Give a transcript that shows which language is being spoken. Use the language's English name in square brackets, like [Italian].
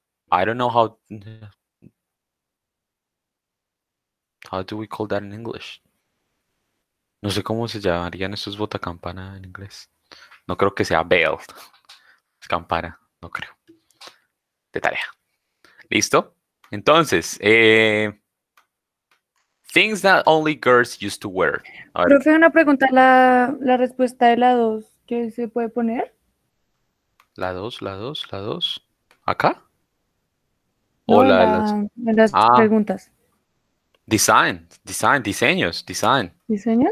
[English] I don't know how do we call that in English? [Spanish] No sé cómo se llamarían esos bota campana en inglés. No creo que sea bell. Es campana, no creo. De tarea. ¿Listo? [English] Entonces, things that only girls used to wear. [Spanish] Profe, una pregunta, la respuesta de la 2, ¿qué se puede poner? ¿La 2, la 2, la 2? ¿Acá? No, o las preguntas. [English] Design, diseños, design. [Spanish] ¿Diseños?